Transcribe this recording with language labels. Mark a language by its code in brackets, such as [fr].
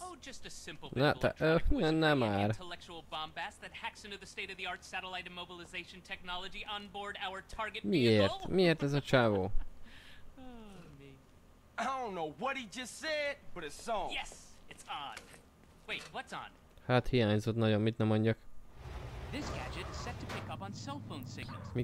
[en] Oh, just a simple intellectual bombast that hacks into the state-of-the-art satellite immobilization technology on board our target vehicle. [hu] Miért ez a csávó? [en] I don't know what he just said, but it's on. Yes, it's on. Wait, what's on? [hu] Hát hiányzott nagyon, mit nem mondjak. [en] This gadget is set to pick up on cell phone signals.